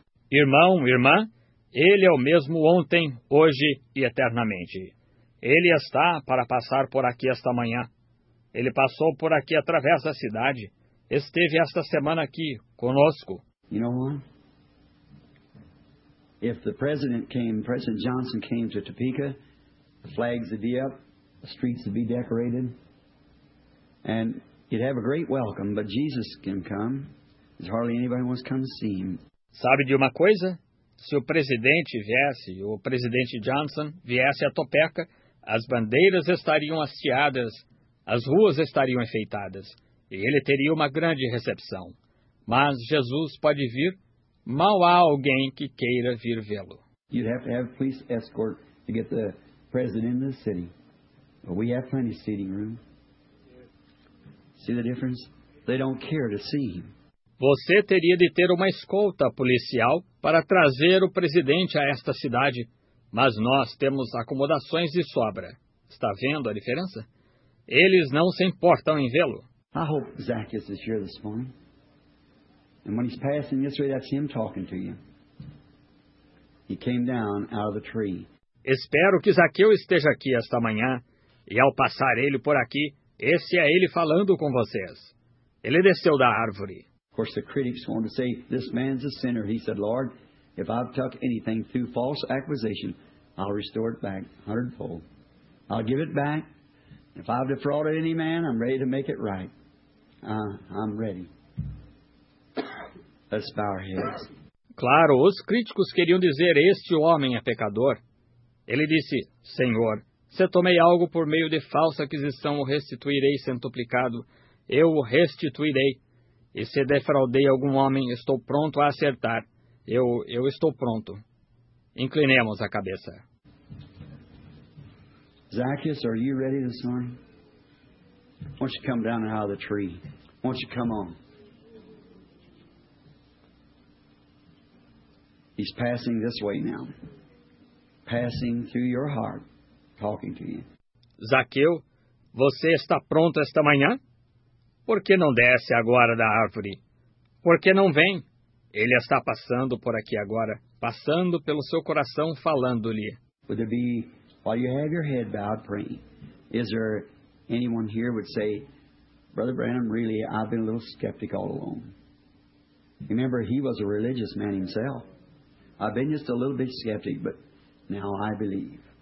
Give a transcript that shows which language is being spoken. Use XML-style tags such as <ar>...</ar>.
<pt>Irmão, irmã, ele é o mesmo ontem, hoje e eternamente. Ele está para passar por aqui esta manhã. Ele passou por aqui através da cidade. Esteve esta semana aqui, conosco.</pt> <en>You know what? If the president came, President Johnson came to Topeka, the flags would be up, the streets would be decorated, and you'd have a great welcome, but Jesus can come. There's hardly anybody wants to come to see him.</en> <pt>Sabe de uma coisa? Se o presidente viesse, o presidente Johnson viesse a Topeka, as bandeiras estariam hasteadas, as ruas estariam enfeitadas, e ele teria uma grande recepção. Mas Jesus pode vir, mal há alguém que queira vir vê-lo.</pt> <en>You'd have to have a police escort to get the president in the city. But we have plenty of seating room. See the difference? They don't care to see him.</en> <pt>Você teria de ter uma escolta policial para trazer o presidente a esta cidade, mas nós temos acomodações de sobra. Está vendo a diferença? Eles não se importam em vê-lo.</pt> <en>I hope Zacchaeus is here this morning. And when he's passing this way, that's him talking to you. He came down out of the tree.</en> <pt>Espero que Zaqueu esteja aqui esta manhã, e ao passar ele por aqui, esse é ele falando com vocês. Ele desceu da árvore.</pt> <en>Of course, the critics want to say, this man's a sinner. He said, Lord, if I've took anything through false accusation, I'll restore it back hundredfold. I'll give it back. If I've defrauded any man, I'm ready to make it right. I'm ready. Let's bow our heads.</en> <pt>Claro, os críticos queriam dizer, este homem é pecador. Ele disse, Senhor, se tomei algo por meio de falsa aquisição, o restituirei centuplicado. Eu o restituirei. E se defraudei algum homem, estou pronto a acertar. Eu estou pronto. Inclinemos a cabeça.</pt> <en>Zacchaeus, are you ready this morning? Why don't you come down out of the tree? Why don't you come on? He's passing this way now. Passing through your heart, talking to you.</en> <pt>Zaqueu, você está pronto esta manhã? Por que não desce agora da árvore? Por que não vem? Ele está passando por aqui agora, passando pelo seu coração, falando-lhe.</pt> <en>Would there be, while you have your head bowed praying, is there anyone here would say, Brother Branham, really, I've been a little skeptic all along. Remember, he was a religious man himself. I've been just a little bit skeptic, but now I believe.</en>